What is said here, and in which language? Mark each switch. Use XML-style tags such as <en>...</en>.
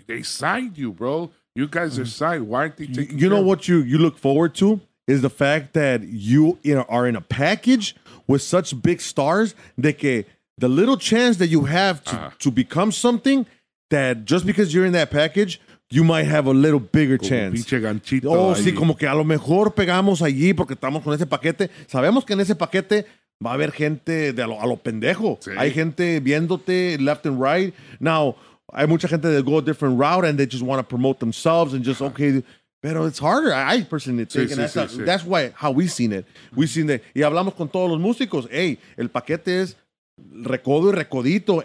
<en>They signed you, bro. You guys are signed. Why aren't they taking You know what you look forward to is the fact that you are in a package with such big stars that the little chance that you have to become something, that just because you're in that package, you might have a little bigger chance.</en> <es>Pinche ganchito. Oh, sí, como que a lo mejor pegamos allí porque estamos con ese paquete. Sabemos que en ese paquete va a haber gente de a lo pendejo. Sí. Hay gente viéndote</es> <en>left and right. Now,</en> <es>hay mucha gente</es> <en>that go a different route and they just want to promote themselves and just, okay,</en> <es>pero</es> <en>it's harder. I personally think that's why, how we've seen it. We've seen that.</en> <es>Y hablamos con todos los músicos. Hey, el paquete es Recodo y Recodito.</es>